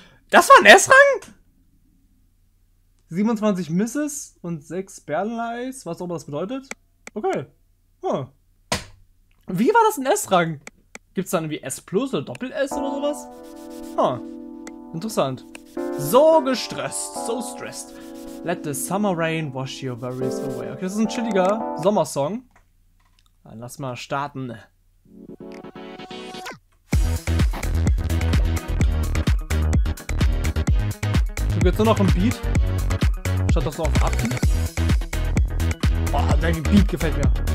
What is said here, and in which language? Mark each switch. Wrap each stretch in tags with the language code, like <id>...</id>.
<de>Das war ein S-Rang? 27 Misses und 6 Berlin-Eyes, was auch immer das bedeutet. Okay. Huh. Wie war das ein S-Rang? Gibt's dann irgendwie S-Plus oder Doppel-S oder sowas? Huh. Interessant. So gestresst,</de> <en>so stressed. Let the summer rain wash your worries away.</en> <de>Okay, das ist ein chilliger Sommersong. Dann lass mal starten. Du gehst nur noch im Beat. Statt dass du auf Abbeat. Boah, dein Beat gefällt mir.</de>